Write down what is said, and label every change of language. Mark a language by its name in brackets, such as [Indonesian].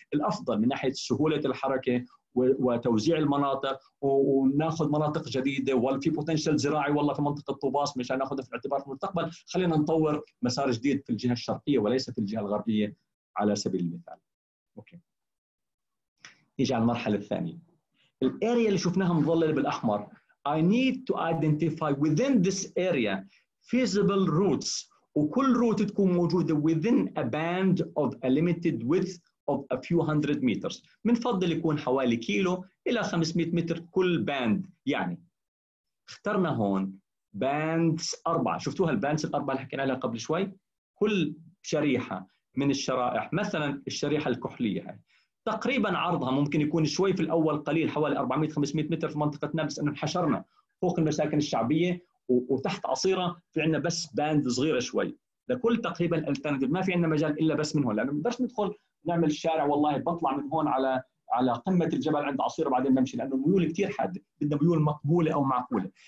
[Arabic] الافضل من ناحيه سهوله الحركه وتوزيع المناطق وناخذ مناطق جديده، وفي بوتنشل زراعي والله في منطقه طوباس مشان ناخذها في الاعتبار في المستقبل، خلينا نطور مسار جديد في الجهه الشرقيه وليس في الجهه الغربيه على سبيل المثال. اوكي، نيجي على المرحله الثانيه. الاريا اللي شفناها مظلله بالاحمر، [English] I need to identify within this area feasible routes، [Arabic] وكل روت تكون موجوده [English] within a band of a limited width of a few hundred meters. [Arabic] منفضل يكون حوالي كيلو الى 500 متر كل باند. يعني اخترنا هون باندز اربعه، شفتوها الباندز الاربعه اللي حكينا عليها قبل شوي، كل شريحه من الشرائح مثلا الشريحه الكحليه هاي تقريبا عرضها ممكن يكون شوي في الاول قليل حوالي 400-500 متر في منطقه نابلس، انه انحشرنا فوق المساكن الشعبيه وتحت عصيره، في عندنا بس باند صغيره شوي لكل تقريبا الالترناتيف، ما في عندنا مجال الا بس من هون، لانه بس ندخل نعمل الشارع والله بطلع من هون على قمه الجبل عند عصيره بعدين بمشي، لانه الميول كثير حاده، بدنا ميول مقبوله او معقوله.